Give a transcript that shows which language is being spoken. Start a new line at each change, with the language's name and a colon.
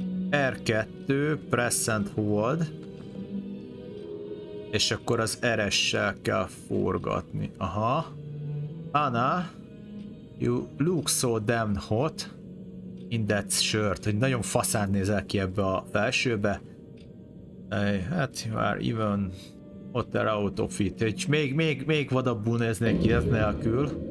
Hungarian: R2,
English: press and hold,
Hungarian: és akkor az RS-sel kell forgatni, aha.
English: Anna, you look so damn hot.
Hungarian: index shirt, hogy nagyon faszán nézel ki ebbe a felsőbe.
English: Hát, you are even hotter out of it.
Hungarian: Hogy még vadabbul néznék ki ez nélkül.